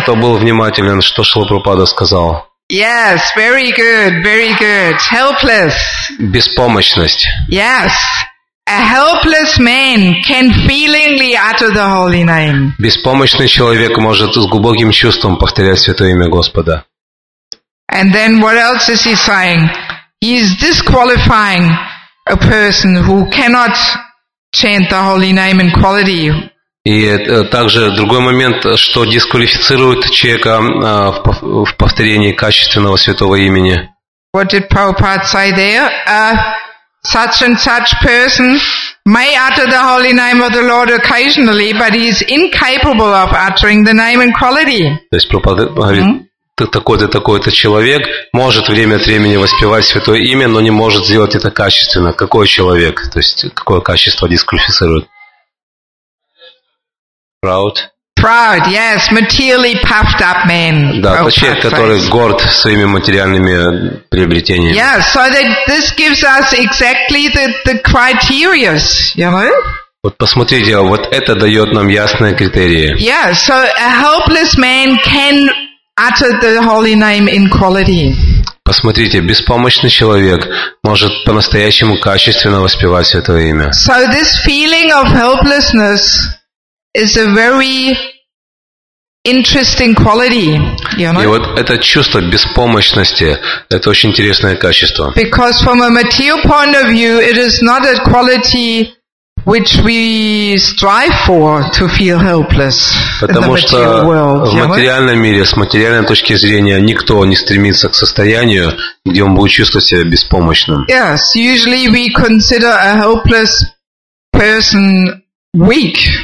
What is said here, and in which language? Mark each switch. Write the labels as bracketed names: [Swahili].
[Russian] Кто был внимателен, что Шрила Прабхупада сказал? [English] Yes, very good, very good. Helpless. [Russian] Беспомощность. [English] Yes. A helpless man can feelingly utter the holy name. [Russian] Беспомощный человек может с глубоким чувством повторять святое имя Господа. [English] And then what else is he saying? He is disqualifying a person who cannot chant the holy name in quality. [Russian] И также другой момент, что дисквалифицирует человека в повторении качественного святого имени. [English] What did Prabhupada say there? Such and such person may utter the holy name of the Lord occasionally, but he is incapable of uttering the name in quality. [Russian] То есть Прабхупада говорит, такой-то человек может время от времени воспевать святое имя, но не может сделать это качественно. Какой человек? То есть какое качество дисквалифицирует? [English] Proud. Proud, yes, materially puffed up man. [Russian] Да, тот человек, который горд своими материальными приобретениями. [English] Yeah, so that this gives us exactly the criteria, you know? [Russian] Вот посмотрите, вот это дает нам ясные критерии. [English] Yeah, so a helpless man can utter the holy name in quality. [Russian] Посмотрите, беспомощный человек может по-настоящему качественно воспевать святое имя. [English] So this feeling of helplessness is a very interesting quality, you know? [Russian] И вот это чувство беспомощности, это очень интересное качество. [English] Because from a material point of view, it is not a quality which we strive for to feel helpless in the material world. [Russian] Потому что в материальном мире, с материальной точки зрения, никто не стремится к состоянию, где он будет чувствовать себя беспомощным. [English] Yes, usually we consider a helpless person weak.